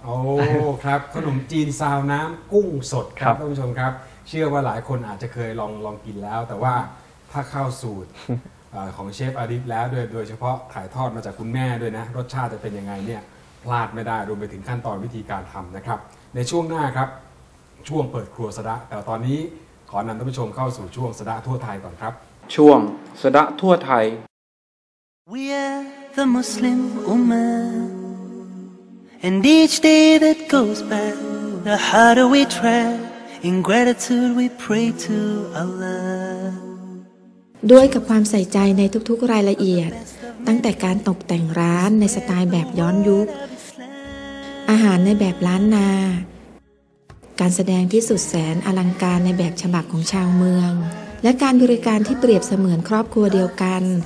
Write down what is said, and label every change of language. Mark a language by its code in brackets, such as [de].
[th] โอ้ครับขนมจีนซาวน้ำกุ้งสดครับท่านผู้ชมครับเชื่อว่าหลายคนอาจจะเคยลองกินแล้วแต่ว่าถ้าเข้าสูตรของเชฟอาริฟแล้วโดยเฉพาะถ่ายทอดมาจากคุณแม่ด้วยนะรสชาติจะเป็นยังไงเนี่ยพลาดไม่ได้รวมไปถึงขั้นตอนวิธีการทำนะครับในช่วงหน้าครับช่วงเปิดครัวสะดะแต่ตอนนี้ขอนำท่านผู้ชมเข้าสู่ช่วงสะดะทั่วไทยก่อนครับ ช่วงสะดะทั่วไทย [en] We're the Muslim Ummah And each day that goes by The harder we try In gratitude we pray to Allah [th] ด้วยกับความใส่ใจในทุกๆรายละเอียดตั้งแต่การตกแต่งร้านในสไตล์แบบย้อนยุคอาหารในแบบล้านนาการแสดงที่สุดแสนอลังการในแบบฉบับของชาวเมืองและการบริการที่เปรียบเสมือนครอบครัวเดียวกัน